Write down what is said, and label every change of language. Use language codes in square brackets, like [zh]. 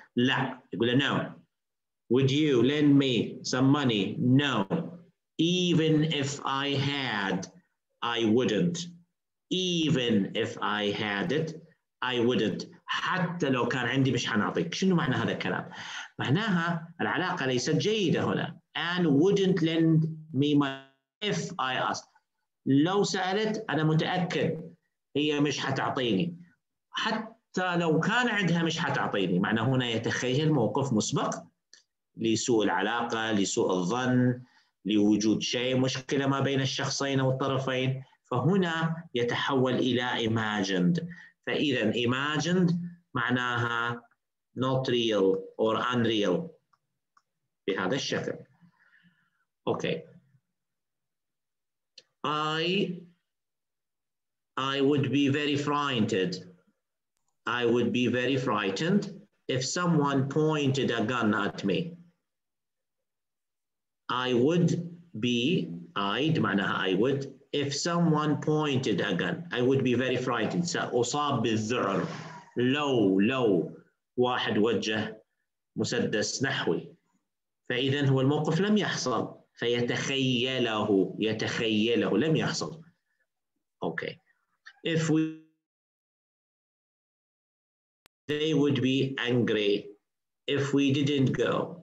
[ar] لا، يقول لنا [en] No. Would you lend me some money? No. Even if I had, I wouldn't. Even if I had it, I wouldn't. [ar] حتى لو كان عندي مش حنعطيك. شنو معنى هذا الكلام؟ معناها العلاقة ليست جيدة هنا. [en] And wouldn't lend me money if I asked. [ar] لو سألت أنا متأكد هي مش حتعطيني. حتى لو كان عندها مش حتعطيني. معنى هنا يتخيل موقف مسبق لسوء العلاقة، لسوء الظن، لوجود شيء مشكلة ما بين الشخصين أو الطرفين، فهنا يتحول إلى imagined. فإذا imagined معناها [en] not real or unreal [ar] بهذا الشكل. [en] Okay. I would be very frightened. I would be very frightened if someone pointed a gun at me. I would be, I'd معناها I would, if someone pointed a gun, I would be very frightened. [ar] سأصاب بالذعر لو واحد وجه مسدس نحوي. فإذا هو الموقف لم يحصل، فيتخيله لم يحصل. [en] Okay. If we, they would be angry if we didn't go.